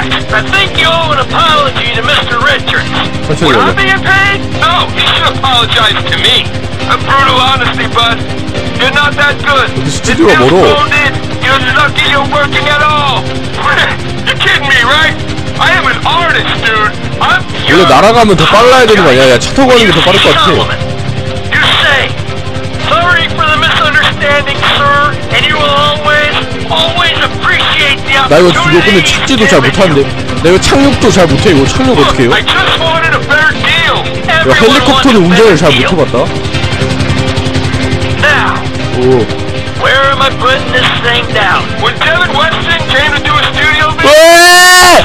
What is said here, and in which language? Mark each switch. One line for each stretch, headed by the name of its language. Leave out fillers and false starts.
Korean: 천천히 가자.
English: You're not that good. You're lucky you're working at all. You're kidding me, right? I am an artist, dude.
Korean: 이거 날아가면 더 빨라야 되는 거 아니야? 야, 차 타고 가는 게 더 빠를 것 같아.
English: You say sorry for the misunderstanding, sir, and you will always appreciate the.
Korean: 나 이거 죽어 근데 착지도 잘 못하는데. 나 이거 착륙도 잘 못해. 이거 착륙 어떻게 해요?
English: I just wanted a better deal.
Korean: 야, 헬리콥터는 운전을 잘 못해봤다. 오.
English: Where am I putting this thing down? When Devin Weston came to do a studio visit,